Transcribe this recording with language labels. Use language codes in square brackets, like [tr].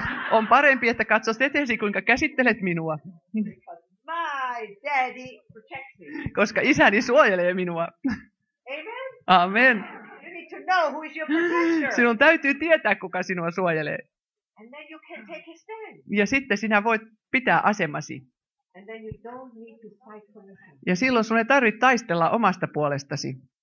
[fi] On parempi, että katsot eteesi, kuinka käsittelet minua. [en] My daddy protects me. [fi] Koska isäni suojelee minua. Amen. Amen. [en] You need to know who is your protector. [fi] Sinun täytyy tietää, kuka sinua suojelee. [en] And then you can take a stand. [fi] Ja sitten sinä voit pitää asemasi. [en] And then you don't need to fight for your hand. [fi] Ja silloin sinun ei tarvitse taistella omasta puolestasi.